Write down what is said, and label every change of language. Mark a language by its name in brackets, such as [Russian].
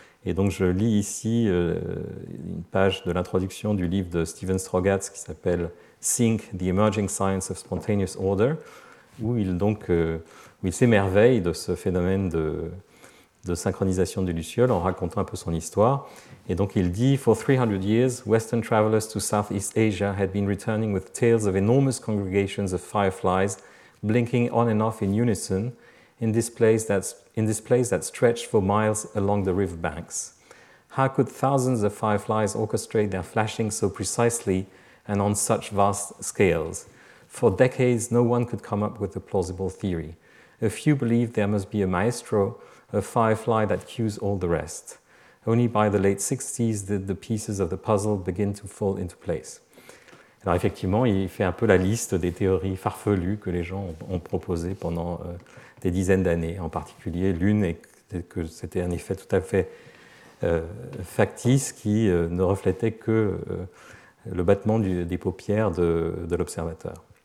[French] Et donc je lis ici une page de l'introduction du livre de Steven Strogatz qui s'appelle Sync, The Emerging Science of Spontaneous Order, où il s'émerveille de ce phénomène de synchronisation des lucioles en racontant un peu son histoire. Et donc il dit: [English] For 300 years, Western travelers to Southeast Asia had been returning with tales of enormous congregations of fireflies blinking on and off in unison in displays that stretched for miles along the river banks. How could thousands of fireflies orchestrate their flashing so precisely and on such vast scales? For decades, no one could come up with a plausible theory. A few believed there must be a maestro, a firefly that cues all the rest. Only by the late 60s did the pieces of the puzzle begin to fall into place. [French] Alors effectivement, il fait un peu la liste des théories farfelues que les gens ont proposées pendant des dizaines d'années. En particulier, l'une est que c'était un effet tout à fait factice qui ne reflétait que le battement des paupières de l'observateur.